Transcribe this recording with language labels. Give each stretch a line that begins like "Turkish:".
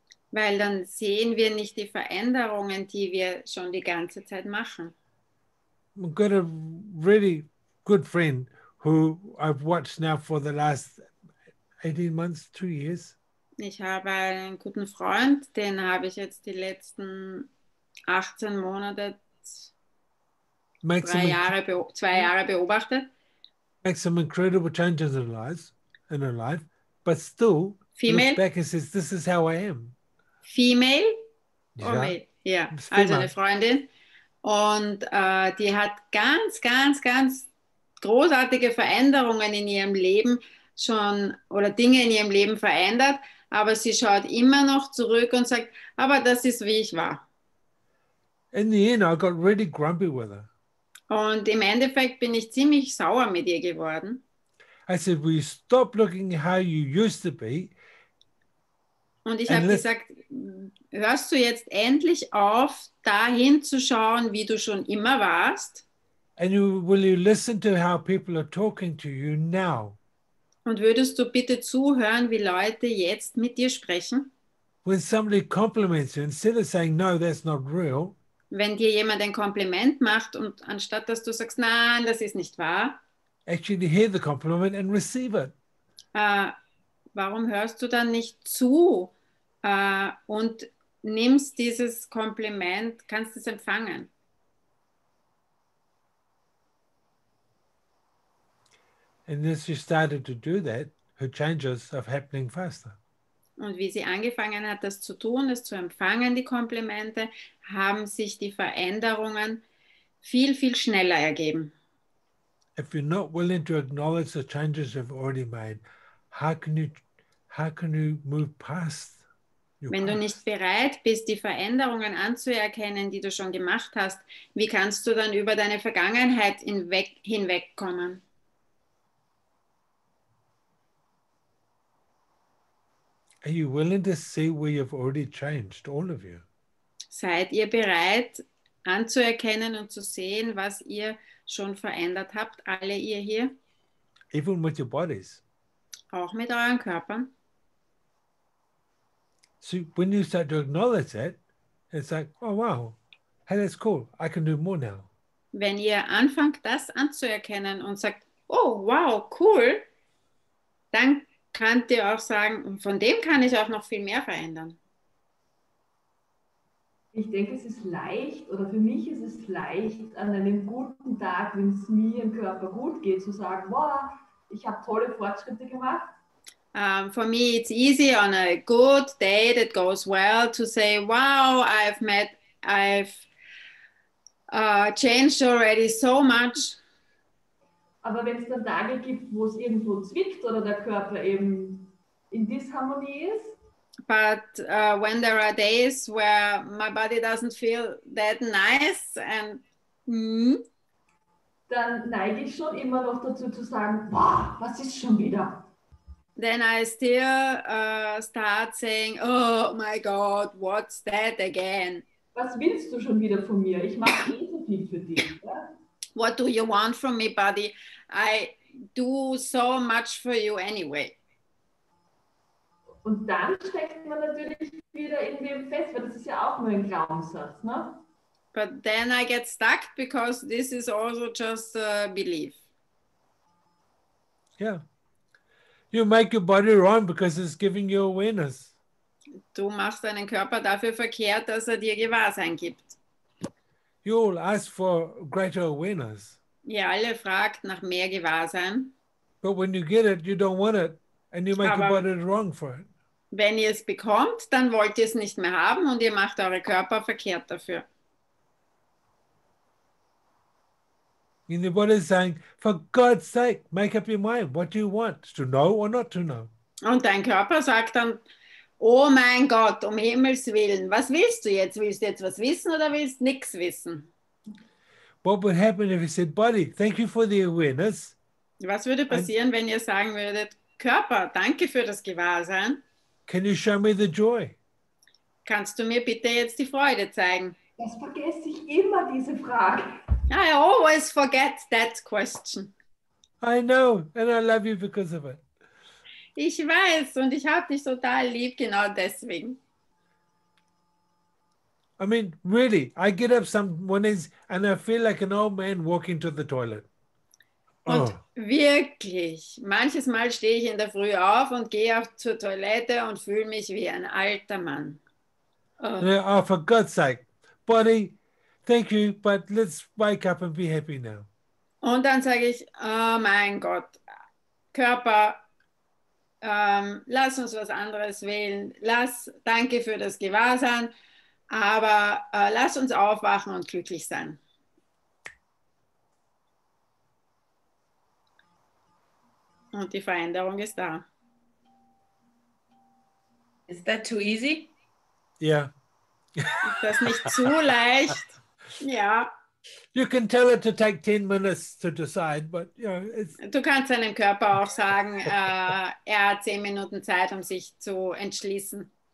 German: Weil dann sehen wir nicht die Veränderungen, die wir schon die ganze Zeit machen.
English: I've got a really good friend who I've watched now for the last 18 months, 2 years.
German: Ich habe einen guten Freund, den habe ich jetzt die letzten 18 Monate, zwei Jahre beobachtet.
English: Makes some incredible changes in her life, but still female? Looks back and says, this is how I am. Female?
German: Ja.
English: Or male?
German: Ja.
English: Female.
German: Also eine Freundin. Und die hat ganz, ganz, ganz großartige Veränderungen in ihrem Leben schon oder Dinge in ihrem Leben verändert, aber sie schaut immer noch zurück und sagt, aber das ist, wie ich war.
English: In the end, I got really grumpy with her.
German: Und im Endeffekt bin ich ziemlich sauer mit ihr geworden.
English: I said, will you stop looking how you used to be?
German: Und ich habe gesagt, hörst du jetzt endlich auf, dahin zu schauen, wie du schon immer warst?
English: And will you listen to how people are talking to you now?
German: Und würdest du bitte zuhören, wie Leute jetzt mit dir sprechen?
English: When somebody compliments you, instead of saying, no, that's not real,
German: wenn dir jemand ein Kompliment macht und anstatt dass du sagst, nein, das ist nicht wahr,
English: actually hear the compliment and receive it.
German: Warum hörst du dann nicht zu und nimmst dieses Kompliment, kannst es empfangen?
English: And as she started to do that, her changes are happening faster.
German: Und wie sie angefangen hat, das zu tun, es zu empfangen, die Komplimente, haben sich die Veränderungen viel, viel schneller ergeben.
English: If you're not willing to acknowledge the changes you've already made, how can you move past your
German: Wenn du
English: past?
German: Nicht bereit bist, die Veränderungen anzuerkennen, die du schon gemacht hast, wie kannst du dann über deine Vergangenheit hinwegkommen?
English: Are you willing to see where you've already changed, all of you?
German: Seid ihr bereit, anzuerkennen und zu sehen, was ihr schon verändert habt, alle ihr hier?
English: Even with your bodies.
German: Auch mit euren Körpern.
English: So when you start to acknowledge that, it's like, oh wow, hey, that's cool, I can do more now.
German: Wenn ihr anfangt, das anzuerkennen und sagt, oh wow, cool, dann könnt ihr auch sagen, von dem kann ich auch noch viel mehr verändern. Ich denke, es ist leicht, oder für mich ist es leicht, an einem guten Tag, wenn es mir im Körper gut geht, zu sagen, wow, ich habe tolle Fortschritte gemacht.
English: For me, it's easy on a good day that goes well to say, wow, I've changed already so much.
German: Aber wenn es dann Tage gibt, wo es irgendwo zwickt oder der Körper eben in Disharmonie ist,
English: But when there are days where my body doesn't feel that nice and
German: dann neige ich schon immer noch dazu zu sagen, wow, was ist schon wieder?
English: Then I still start saying, oh my God, what's that again?
German: Was willst du schon wieder von mir? Ich mache eh so viel für dich. Ja?
English: What do you want from me, buddy? I do so much for you anyway.
German: Und dann steckt man natürlich wieder in dem fest, weil das ist ja auch nur ein Glaubenssatz, ne?
English: But then I get stuck because this is also just a belief. Yeah. You make your body wrong because it's giving you awareness.
German: Du machst deinen Körper dafür verkehrt, dass er dir Gewahrsein gibt.
English: You all ask for greater awareness.
German: Ihr alle fragt nach mehr Gewahrsein.
English: But when you get it, you don't want it. And you make your body wrong for it.
German: Wenn ihr es bekommt, dann wollt ihr es nicht mehr haben und ihr macht eure Körper verkehrt dafür.
English: And your body is saying, for God's sake, make up your mind. What do you want? To know or not to know?
German: Und dein Körper sagt dann, oh mein Gott, um Himmels Willen, was willst du jetzt? Willst du jetzt was wissen oder willst nichts wissen?
English: What would happen if you said, body, thank you for the awareness?
German: Was würde passieren, wenn ihr sagen würdet, Körper, danke für das Gewahrsein.
English: Can you show me the joy?
German: Kannst du mir bitte jetzt die Freude zeigen? Das vergesse ich immer, diese Frage.
English: I always forget that question. I know, and I love you because of it.
German: Ich weiß, und ich habe dich total lieb, genau deswegen.
English: I mean, really, I get up some mornings and I feel like an old man walking to the toilet.
German: Und wirklich, manches Mal stehe ich in der Früh auf und gehe auch zur Toilette und fühle mich wie ein alter Mann.
English: Oh, for God's sake, buddy, thank you, but let's wake up and be happy now.
German: Und dann sage ich, oh mein Gott, Körper, lass uns was anderes wählen. Danke für das Gewahrsein, aber lass uns aufwachen und glücklich sein. Und die Veränderung ist da.
English: Is that too easy?
German: Ja. Ist das nicht zu leicht? Ja.
English: You can tell it to take 10 minutes to decide, but you know, it's...
German: Du kannst deinem Körper auch sagen, er hat 10 Minuten Zeit, um sich zu entschließen.